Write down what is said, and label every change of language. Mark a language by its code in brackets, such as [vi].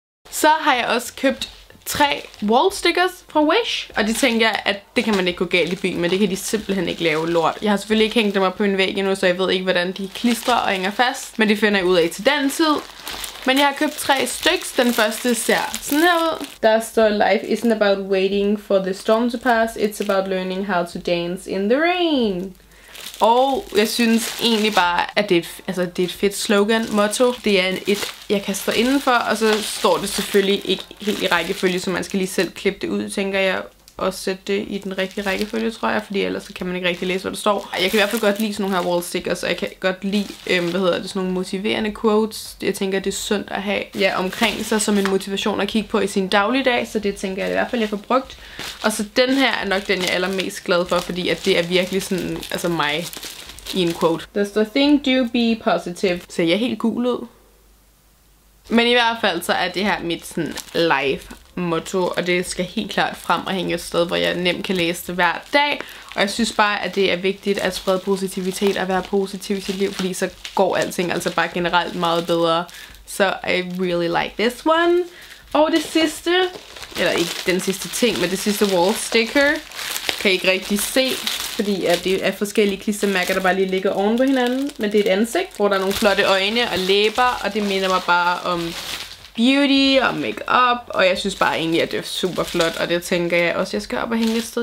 [da] Så har jeg også købt 3 wallstickers fra Wish. Og det tænker jeg, at det kan man ikke gå galt i byen, men det kan de simpelthen ikke lave lort. Jeg har selvfølgelig ikke hængt dem op på min væg endnu, så jeg ved ikke, hvordan de klistrer og hænger fast. Men det finder jeg ud af til den tid. Men jeg har købt 3 stykker. Den første ser sådan her ud. Der står, [en] life isn't about waiting for the storm to pass. It's about learning how to dance in the rain. [da] Og jeg synes egentlig bare, at det er, altså, det er et fedt slogan, motto. Det er et, jeg kaster indenfor, og så står det selvfølgelig ikke helt i rækkefølge, så man skal lige selv klippe det ud, tænker jeg, og sætte det i den rigtige rækkefølge, tror jeg, fordi ellers så kan man ikke rigtig læse, hvad der står. Jeg kan i hvert fald godt lide sådan nogle her wallstickers, og jeg kan godt lide, hvad hedder det, sådan nogle motiverende quotes. Jeg tænker, det er sundt at have, ja, omkring sig som en motivation at kigge på i sin dagligdag, så det tænker jeg i hvert fald, jeg får brugt. Og så den her er nok den, jeg er allermest glad for, fordi at det er virkelig sådan, altså mig i en quote. [en] There's the thing, do be positive. [da] Ser jeg helt gul ud? Men i hvert fald så er det her mit sådan life motto, og det skal helt klart frem og hænge et sted, hvor jeg nemt kan læse det hver dag. Og jeg synes bare, at det er vigtigt at sprede positivitet og være positiv i sit liv, fordi så går alting altså bare generelt meget bedre. Så [en] I really like this one. [da] Og det sidste, eller ikke den sidste ting, men det sidste wall sticker, kan I ikke rigtig se, fordi at det er forskellige klistermærker, der bare lige ligger oven på hinanden. Men det er et ansigt, hvor der er nogle flotte øjne og læber, og det minder mig bare om beauty og makeup, og jeg synes bare egentlig, at det er super flot, og det tænker jeg også, jeg skal op og hænge et sted.